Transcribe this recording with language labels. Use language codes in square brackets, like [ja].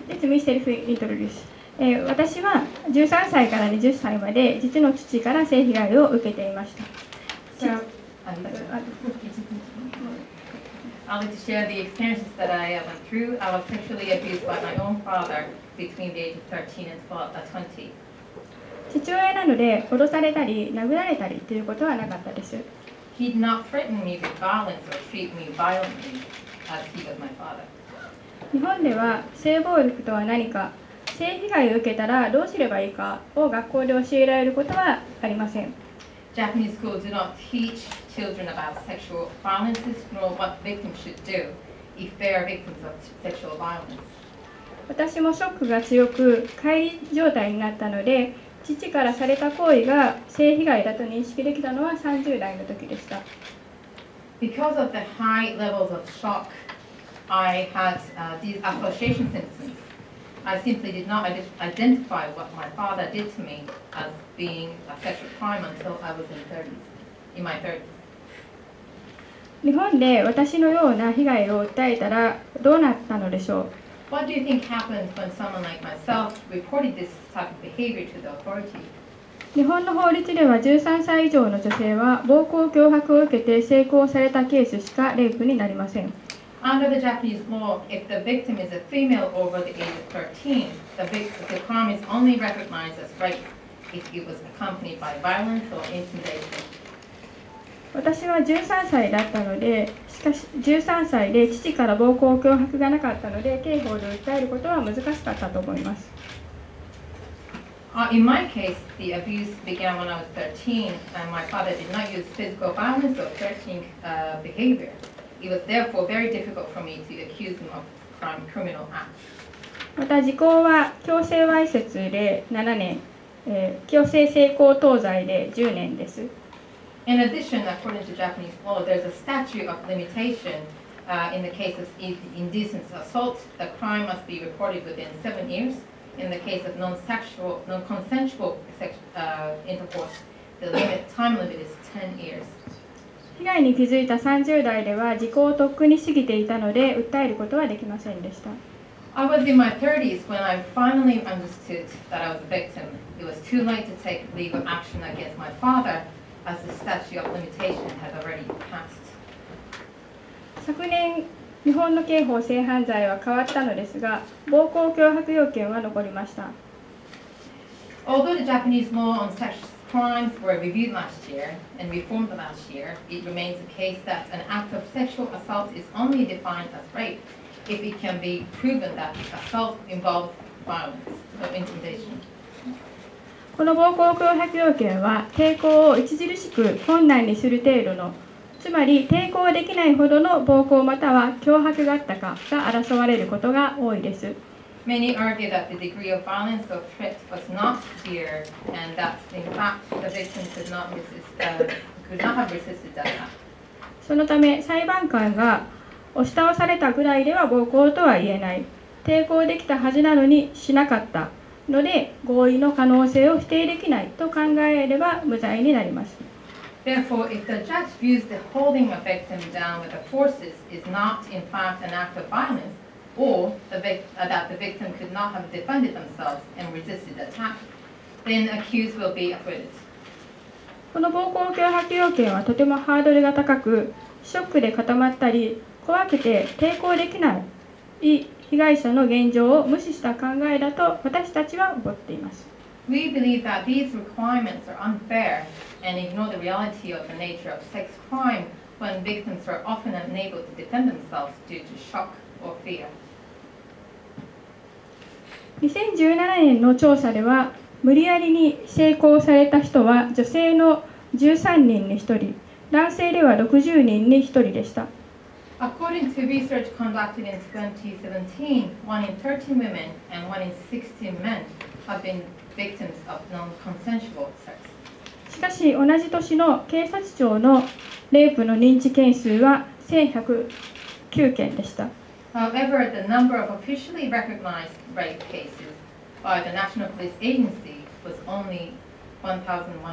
[ja] 私は13歳から20歳まで実の父から性被害を受けていました。 [en] I'd like to share the experiences that I went through. I was sexually abused by my own father between the age of 13 and 20. [ja] 父親なので脅されたり殴られたりということはなかったです。 [en] He did not threaten me with violence or treat me violently as he was my father. [ja] 日本では性暴力とは何か、性被害を受けたらどうすればいいかを学校で教えられることはありません。 [en] Japanese schools do not teach children about sexual violence nor what victims should do if they are victims of sexual violence. [ja] 私もショックが強く乖離状態になったので、父からされた行為が性被害だと認識できたのは30代の時でした。 [en] Because of the high levels of shock, I had dissociation symptoms. I simply did not identify what my father did to me as being a sexual crime until I was in my 30s. [ja] 日本で私のような被害を訴えたらどうなったのでしょう。 [en] What do you think happens when someone like myself reported this type of behavior to the authority? [ja] 日本の法律では13歳以上の女性は暴行脅迫を受けて性交されたケースしかレイプになりません。 [en] Under the Japanese law, if the victim is a female over the age of 13, the crime is only recognized as rape if it was accompanied by violence or intimidation. [ja] 私は13歳だったので、しかし13歳で父から暴行脅迫がなかったので、刑法で訴えることは難しかったと思います。 [en] In my case, the abuse began when I was 13, and my father did not use physical violence or threatening behavior. It was therefore very difficult for me to accuse him of criminal acts. [ja] また時効は強制わいせつで7年、強制性交等罪で10年です。 [en] In addition, according to Japanese law, there's a statute of limitation in the case of indecent assault. The crime must be reported within 7 years. In the case of non-consensual intercourse, the time limit is 10 years. [ja] 被害に気づいた30代では時効をとっくに過ぎていたので訴えることはできませんでした。 [en] I was in my 30s when I finally understood that I was a victim. It was too late to take legal action against my father. As the statute of limitation has already passed. [ja] 昨年日本の刑法性犯罪は変わったのですが、暴行脅迫要件は残りました。 [en] Although the Japanese law on sex crimes were reviewed last year and reformed last year, it remains the case that an act of sexual assault is only defined as rape if it can be proven that assault involved violence or intimidation. [ja] この暴行脅迫要件は抵抗を著しく困難にする程度の、つまり抵抗できないほどの暴行または脅迫があったかが争われることが多いです。 [en] Many argue that the degree of violence or threat was not severe and that in fact the victim could not have resisted that. [ja] そのため裁判官が押し倒されたぐらいでは暴行とは言えない。抵抗できたはずなのにしなかった。ので合意の可能性を否定できないと考えれば無罪になります。 [en] Therefore, if the judge views the holding a victim down with the forces is not in fact an act of violence, or that the victim could not have defended themselves and resisted attack, then accused will be acquitted. [ja] この暴行脅迫要件はとてもハードルが高く、ショックで固まったり怖くて抵抗できない。被害者の現状を無視した考えだと私たちは思っています。 [en] We believe that these requirements are unfair and ignore the reality of the nature of sex crime when victims are often unable to defend themselves due to shock or fear. [ja] 2017年の調査では、無理やりに性交された人は女性の13人に1人、男性では60人に1人でした。 [en] According to research conducted in 2017, 1 in 13 women and 1 in 16 men have been victims of non-consensual sex. [ja] しかし同じ年の警察庁のレイプの認知件数は1109件でした。 [en] However, the number of officially recognized rape cases by the National Police Agency was only 1,109.